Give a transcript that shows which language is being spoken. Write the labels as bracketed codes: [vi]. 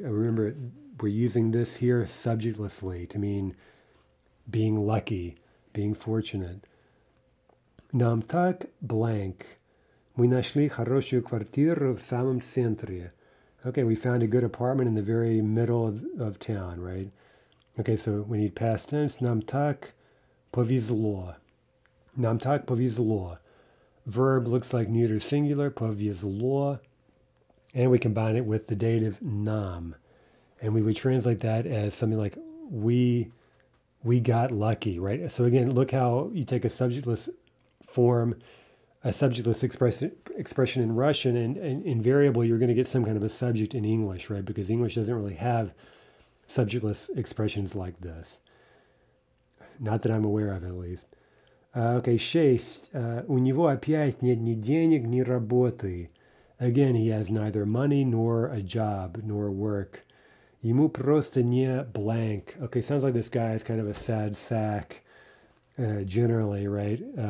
[en] Remember, we're using this here subjectlessly to mean being lucky, being fortunate. [ru] Нам так blank. Мы нашли хорошую квартиру в самом центре. [en] Okay, we found a good apartment in the very middle of town, right? Okay, so we need past tense. [ru] Нам так повезло. Нам так повезло. [en] Verb looks like neuter singular, повезло. And we combine it with the dative нам. And we would translate that as something like we got lucky, right? So again, look how you take a subjectless form, a subjectless expression in Russian, and invariably you're going to get some kind of a subject in English, right? Because English doesn't really have subjectless expressions like this. Not that I'm aware of, at least. [ru] Okay, шесть. У него опять нет ни денег, ни работы. [en] Again, he has neither money nor a job nor work. [ru] Ему просто не [en] blank. Okay, sounds like this guy is kind of a sad sack, generally, right?